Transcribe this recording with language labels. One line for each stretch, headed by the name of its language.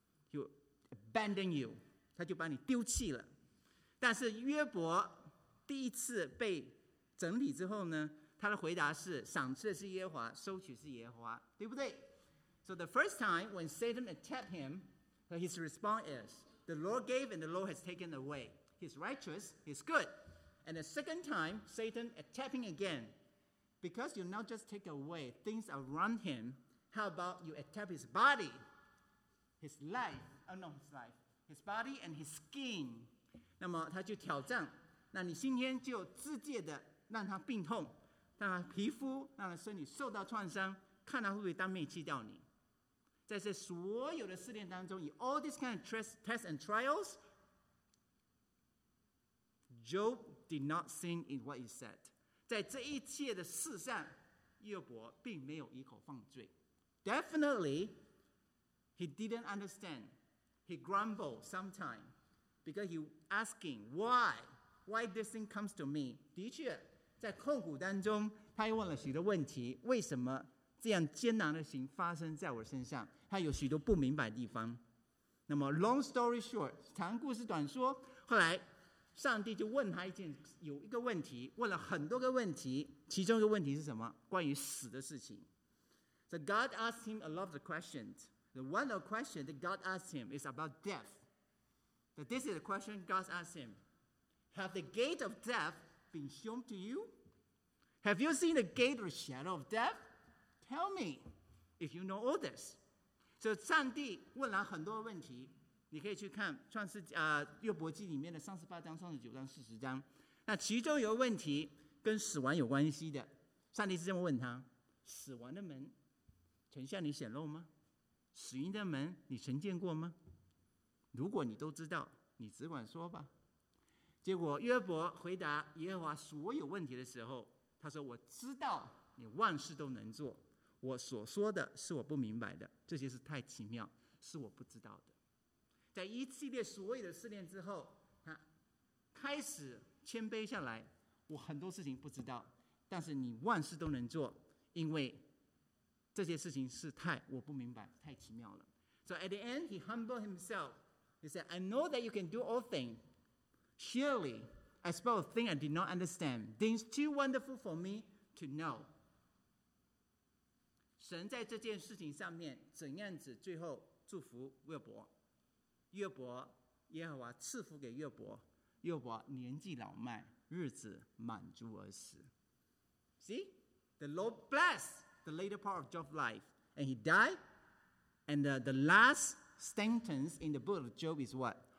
English: He will abandon you.
Chinese: 他就把你丢弃了。但是约伯第一次被整理之后呢，他的回答是：赏赐的是耶和华，收取是耶和华，对不对？
English: So the first time when Satan attacked him, his response is, the Lord gave and the Lord has taken away. He's righteous, he's good. And the second time, Satan attacking again,Because you not just take away things around him, how about you attack his body, his life, his body and his skin.
Chinese: 那么他就挑战，那你今天就直接的让他病痛，让他皮肤，让他身体受到创伤，看他会不会当面弃掉你。在这所有的试炼当中，以
English: all these kind of tests and trials, Job did not sin in what he said.
Chinese: 在这一切的事上，约伯并没有一口犯罪。
English: Definitely, he didn't understand. He grumbled sometime because he asking why? Why this thing comes to me?
Chinese: 的确，在痛苦当中，他又问了许多问题：为什么这样艰难的事情发生在我身上？他有许多不明白的地方。那么 ，
English: long story short，
Chinese: 长故事短说，后来。上帝就问他一件有一个问题，问了很多个问题，其中一个问题是什么？关于死的事情。
English: So God asked him a lot of the questions. The one of the questions that God asked him is about death. That this is the question God asked him. Have the gate of death been shown to you? Have you seen the gate or shadow of death? Tell me if you know all this.
Chinese: So 上帝问了很多问题。你可以去看创世纪约伯记里面的38章、39章、40章，那其中有个问题跟死亡有关系的，上帝是这么问他：死亡的门曾向你显露吗？死荫的门你曾见过吗？如果你都知道，你只管说吧。结果约伯回答耶和华所有问题的时候，他说：我知道你万事都能做，我所说的是我不明白的，这些是太奇妙，是我不知道的。在一系列所有的试炼之后，他开始谦卑下来。我很多事情不知道，但是你万事都能做，因为这些事情是太我不明白，太奇妙了。
English: So at the end, he humbled himself. He said, "I know that you can do all things. Surely, I spoke a thing I did not understand. Things too wonderful for me to know."
Chinese: 神在这件事情上面怎样子最后祝福约伯，约伯耶和华赐福给约伯，约伯年纪老迈，日子满足而死。
English: See? The Lord blessed the later part of Job's life and he died, and the last sentence in the book of Job is what?